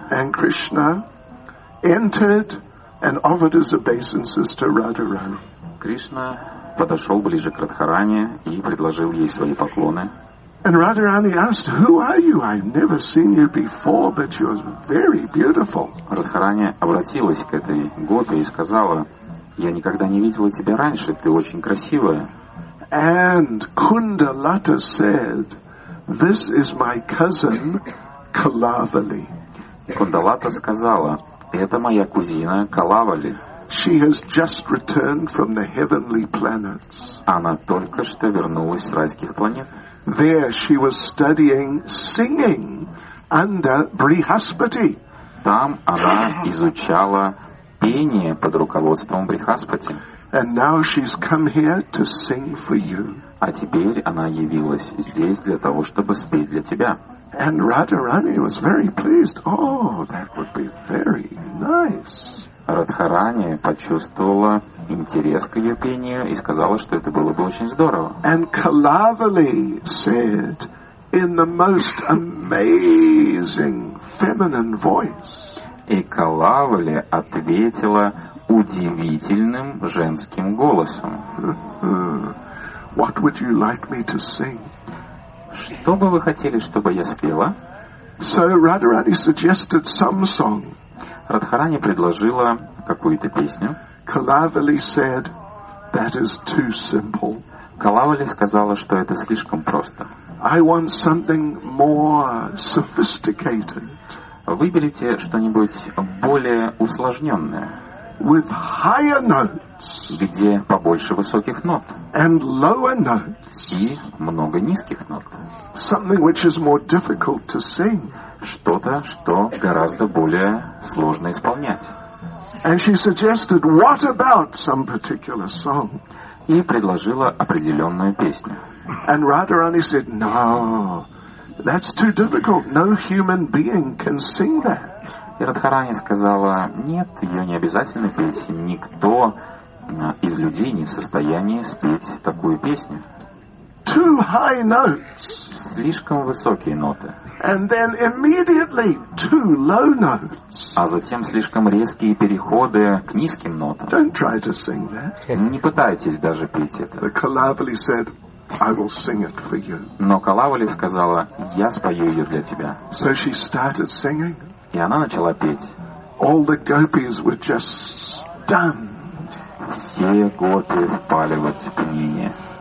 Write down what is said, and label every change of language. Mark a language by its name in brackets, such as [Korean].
[English] And Krishna entered and offered his obeisances to Radharani. [Russian] Кришна подошел ближе к Радхарани и предложил ей свои поклоны. [English] And Radharani asked, "Who are you? I've never seen you before, but you're very beautiful." [Russian] Радхарани обратилась к этой гопи и сказала: "Я никогда не видела тебя раньше. Ты очень красивая." [English] And Kundalata said, "This is my cousin Kalavali." [Russian] Кундалата сказала: "Это моя кузина Калавали." [English] She has just returned from the heavenly planets. [Russian] Она только что вернулась с райских планет. [English] There she was studying singing under Brihaspati. [Russian] Там она изучала пение под руководством Брихаспати. [English] And now she's come here to sing for you. [Russian] А теперь она явилась здесь для того, чтобы спеть для тебя. [English] And Radharani was very pleased. Oh, that would be very nice. [Russian] Радхарани почувствовала интерес к ее пению и сказала, что это было бы очень здорово. [English] And Kalavali said in the most amazing feminine voice. [Russian] И Калавали ответила удивительным женским голосом. [English] What would you like me to sing? [Russian] Что бы вы хотели, чтобы я спела? [English] So Radharani suggested some song. [Russian] Радхарани предложила какую-то песню. [English] Kalavali said, that is too simple. [Russian] Kalavali сказала, что это слишком просто. [English] I want something more sophisticated. [Russian] Выберите что-нибудь более усложненное. [English] With higher notes. [Russian] Где побольше высоких нот. [English] And lower notes. [Russian] И много низких нот. [English] Something which is more difficult to sing. [Russian] Что-то, что гораздо более сложно исполнять. [English] And she suggested, what about some particular song? [Russian] И предложила определенную песню. [English] And Radharani said, no, that's too difficult. No human being can sing that. [Russian] И Радхарани сказала, нет, ее не обязательно петь. Никто из людей не в состоянии спеть такую песню. [English] Too high notes. [Russian] Слишком высокие ноты. [English] And then immediately too low notes. [Russian] А затем слишком резкие переходы к низким нотам. [English] Don't try to sing that. [Russian] Не пытайтесь даже петь это. [English] The Kalavali said, I will sing it for you. [Russian] Но Калавали сказала, я спою ее для тебя. [English] So she started singing. [Russian] И она начала петь. [English] All the gopis were just stunned. [Russian] Все гопи впали в оцепенение.